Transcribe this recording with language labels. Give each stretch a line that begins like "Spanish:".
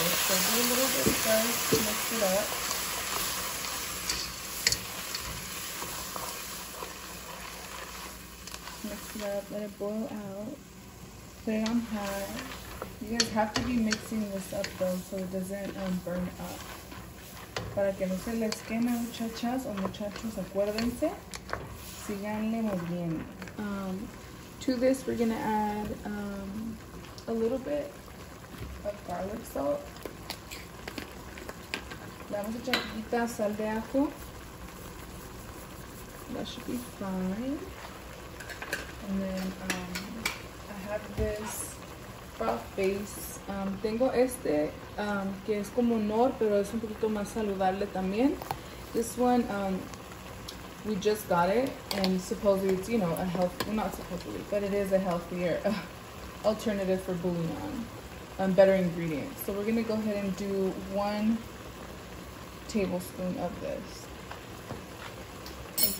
English: So do a little bit first to mix it up. Let it boil out, put it on high. You guys have to be mixing this up though so it doesn't burn up.
Spanish: Para que no se les queme, muchachas o muchachos, acuérdense, síganle moviendo.
English: To this we're gonna add a little bit of garlic salt.
Spanish: Le vamos a echar poquita sal de ajo.
English: That should be fine. And then I have this broth base.
Spanish: Tengo este que es como Nor, pero es un poquito más saludable también.
English: This one, we just got it, and supposedly it's, you know, a health, well, not supposedly, but it is a healthier alternative for bouillon, better ingredients. So we're gonna go ahead and do 1 tablespoon of this.